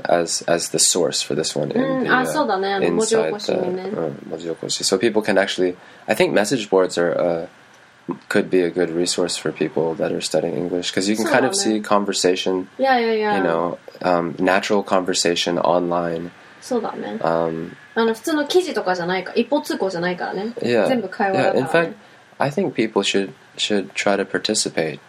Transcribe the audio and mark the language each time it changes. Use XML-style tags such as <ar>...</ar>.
<en>As the source for this one. So people can actually, I think message boards are, could be a good resource for people that are studying English, because you can kind of see conversation. Yeah. You know, natural conversation online.</en> <ja>そうだね。普通の記事とかじゃないか、一方通行じゃないからね。</ja> <en>Yeah.</en> <ja>全部会話だからね。</ja> <en>Yeah. In fact, I think people should try to participate.</en>